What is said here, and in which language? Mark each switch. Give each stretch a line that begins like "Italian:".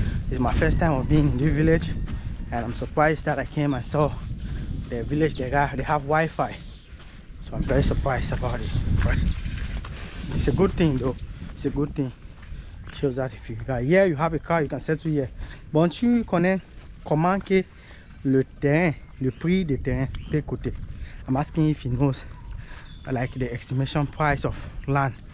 English: It's my first time of being in the village, and I'm surprised that I came and saw the village. They have Wi-Fi. So I'm very surprised about it, but it's a good thing though. It's a good thing. It shows that if you got here, you have a car, you can settle here.
French: Bon, tu connais comment que le terrain, le prix de terrain peut coûter.
English: I'm asking if he knows like the estimation price of land.